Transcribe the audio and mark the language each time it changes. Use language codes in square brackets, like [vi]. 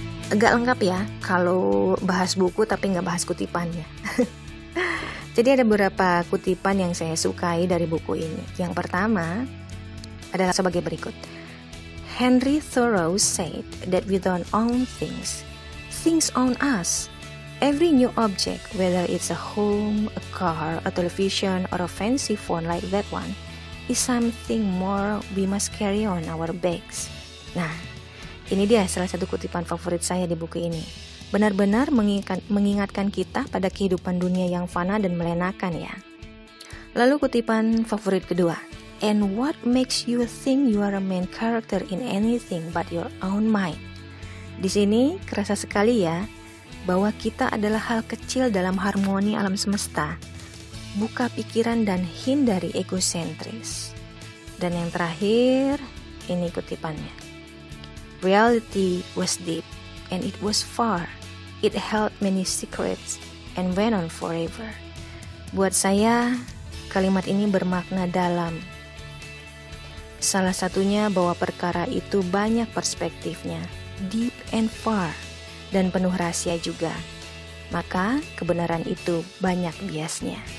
[id] Agak lengkap ya kalau bahas buku tapi nggak bahas kutipannya. Jadi ada beberapa kutipan yang saya sukai dari buku ini. Yang pertama adalah sebagai berikut. [en] Henry Thoreau said that we don't own things. Things own us. Every new object, whether it's a home, a car, a television, or a fancy phone like that one, is something more we must carry on our backs. [id] Nah, ini dia salah satu kutipan favorit saya di buku ini. Benar-benar mengingatkan kita pada kehidupan dunia yang fana dan melenakan ya. Lalu kutipan favorit kedua. [en] And what makes you think you are a main character in anything but your own mind? [id] Di sini kerasa sekali ya, bahwa kita adalah hal kecil dalam harmoni alam semesta. Buka pikiran dan hindari egosentris. Dan yang terakhir, ini kutipannya. [en] Reality was deep, and it was far. It held many secrets, and went on forever. [id] Buat saya, kalimat ini bermakna dalam. Salah satunya bahwa perkara itu banyak perspektifnya, [en] deep and far, [id] dan penuh rahasia juga. Maka, kebenaran itu banyak biasnya.